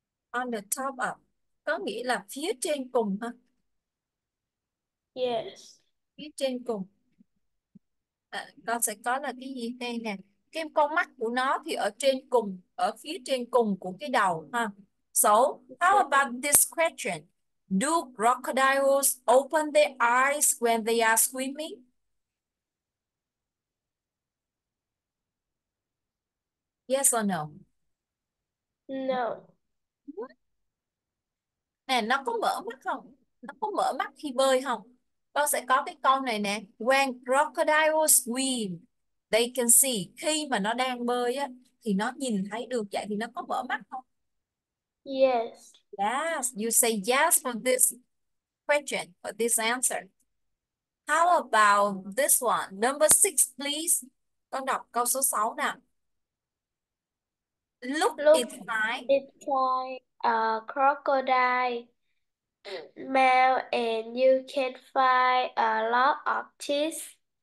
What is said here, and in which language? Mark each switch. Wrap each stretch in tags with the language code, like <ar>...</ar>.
<en>On the top of</en> <vi>có nghĩa là phía trên cùng ha,</vi> <en>Yes.</en> <vi>phía trên cùng. Con sẽ có là cái gì đây nè, cái con mắt của nó thì ở trên cùng, ở phía trên cùng của cái đầu ha.</vi> <en>So how about this question, do crocodiles open their eyes when they are swimming? Yes or no? No.</en> <vi>Nè, nó có mở mắt không? Nó có mở mắt khi bơi không? Con sẽ có cái câu này nè.</vi> <en>When crocodile swim, they can see.</en> <vi>Khi mà nó đang bơi á, thì nó nhìn thấy được. Vậy thì nó có mở mắt không?</vi> <en>Yes. Yes, you say yes for this question, for this answer. How about this one? Number six, please.</en> <vi>Con đọc câu số 6 nào.</vi> <en>Look Look, it fine. it's like a crocodile mouth and you can find a lot of teeth.</en>